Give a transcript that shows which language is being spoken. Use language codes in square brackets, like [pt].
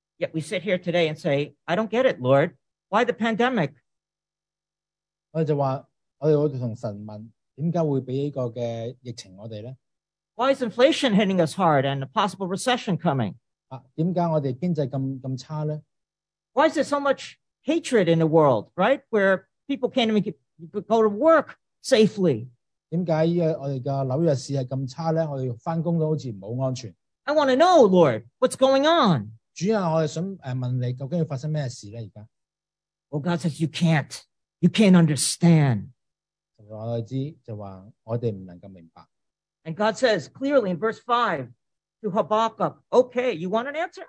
[en] Yet we sit here today and say, I don't get it, Lord. Why the pandemic? [yue] 我哋就话，我哋同神问。點解會俾呢個嘅疫情我哋咧？ [en] Why is inflation hitting us hard and a possible recession coming? [yue] 點解我哋經濟咁差咧？ [en] Why is there so much hatred in the world, right? Where people can't even go to work safely? [yue] 點解我哋嘅紐約市係咁差咧？我哋翻工都好似唔好安全。 [en] I want to know, Lord, what's going on? [yue] 主啊，我哋想問你究竟要發生咩事咧？而家 [en] Well, God says you can't. You can't understand. [yue] 我就知道，就话我哋唔能够明白。 [en] And God says clearly in verse 5 to Habakkuk, okay, you want an answer?